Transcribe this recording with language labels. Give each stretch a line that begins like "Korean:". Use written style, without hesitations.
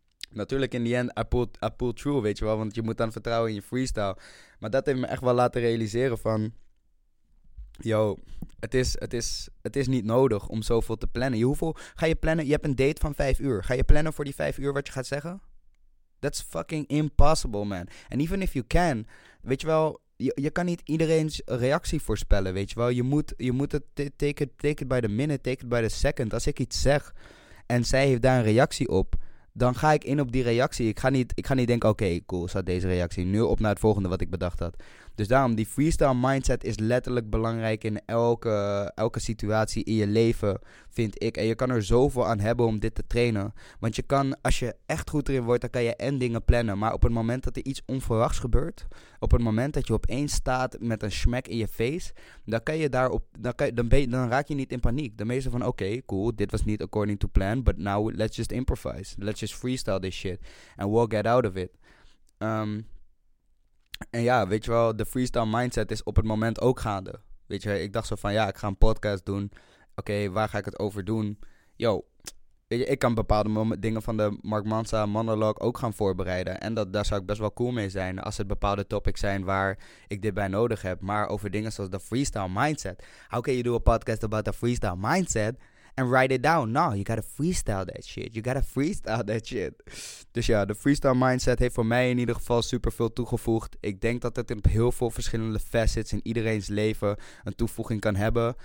Dutch: Natuurlijk
English: in the end, I pulled through,
Dutch: weet je wel, want je moet dan vertrouwen in je freestyle. Maar dat heeft me echt wel laten realiseren van, yo, het is niet nodig om zoveel te plannen. Hoeveel ga je plannen? Je hebt een date van 5 uur. Ga je plannen voor die 5 uur wat je gaat zeggen?
English: That's fucking impossible, man. And even if you can,
Dutch: weet je wel, je kan niet iedereen's reactie voorspellen, weet je wel. Je moet het
English: take it by the minute, take it by the second.
Dutch: Als ik iets zeg en zij heeft daar een reactie op, dan ga ik in op die reactie. Ik ga niet denken, oké, cool, zat deze reactie. Nu op naar het volgende wat ik bedacht had. Dus daarom, die freestyle mindset is letterlijk belangrijk in elke situatie in je leven, vind ik. En je kan er zoveel aan hebben om dit te trainen. Want je kan, als je echt goed erin wordt, dan kan je en dingen plannen. Maar op het moment dat er iets onverwachts gebeurt, op het moment dat je opeens staat met een smack in je face, dan kan je daarop, dan raak je niet in paniek. Dan ben je zo van, oké, cool, dit was niet
English: according to plan, but now let's just improvise. Let's just freestyle this shit. And we'll get out of it.
Dutch: En ja, weet je wel, de freestyle mindset is op het moment ook gaande. Weet je, ik dacht zo van, ja, ik ga een podcast doen. Oké, waar ga ik het over doen? Yo, weet je, ik kan bepaalde dingen van de Mark Mansa monologue ook gaan voorbereiden. En daar zou ik best wel cool mee zijn als het bepaalde topics zijn waar ik dit bij nodig heb. Maar over dingen zoals de freestyle mindset.
English: How can you do a podcast about the freestyle mindset and write it down? No, you gotta freestyle that shit. You gotta freestyle that shit.
Dutch: Dus ja, de freestyle mindset heeft voor mij in ieder geval super veel toegevoegd. Ik denk dat het op heel veel verschillende facets in iedereen's leven een toevoeging kan hebben.